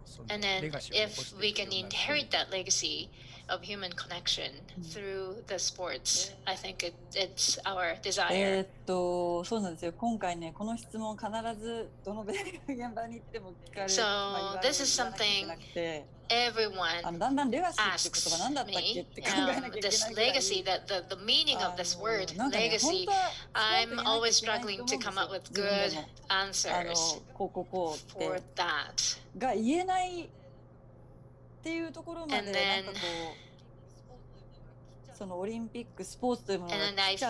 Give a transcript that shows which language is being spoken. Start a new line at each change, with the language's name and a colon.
English: And then if we can inherit that legacy of human connection through the sports, I think it's our desire.
Japanese: そうなんですよ。今回ね、この質問必ずどの現場に行っても聞かれる。
English: So this is something everyone asks me.
Japanese: だんだんレガシーって言葉何だったっけって考えなきゃいけないぐらい。
English: This legacy, that the meaning of this word legacy, I'm always struggling to come up with good answers for that.
Japanese: が言えない。っていうところまでなんかこうそのオリンピックスポーツというものが来ちゃ